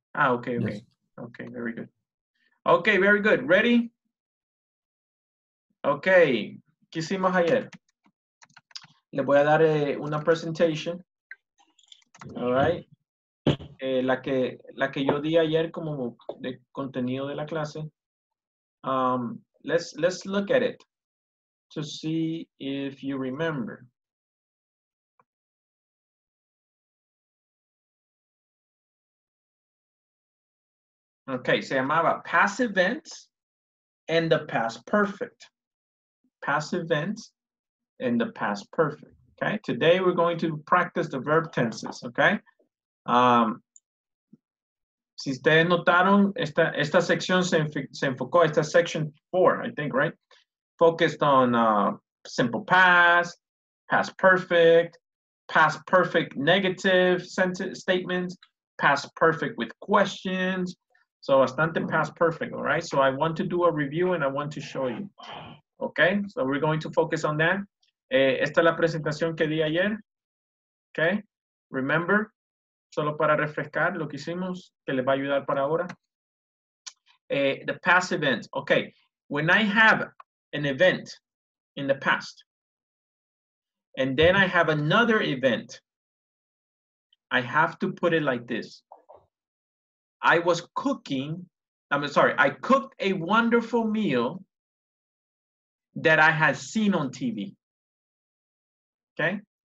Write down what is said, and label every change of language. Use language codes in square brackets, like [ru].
[en] Ah, okay, okay. Yes. Okay, very good. Okay, very good. Ready? Okay. [es] ¿Qué hicimos ayer? Le voy a dar una presentation. [en] All right. [es] La que yo di ayer como de contenido de la clase. [en] Let's look at it to see if you remember. Okay, [es] se llamaba [en] passive events and the past perfect. Passive events and the past perfect. Okay, today we're going to practice the verb tenses. Okay. [es] Si ustedes notaron, esta sección se enfocó, esta section 4, [en] I think, right? Focused on simple past perfect negative sentence statements, past perfect with questions. So, bastante past perfect, all right? So, I want to do a review and I want to show you. Okay? So, we're going to focus on that. [es] Esta es la presentación que di ayer. [en] Okay? [es] Remember, solo para refrescar lo que hicimos, que les va a ayudar para ahora. [en] The past event. Okay. When I have an event in the past, and then I have another event, I have to put it like this. I cooked a wonderful meal that I had seen on TV. Okay?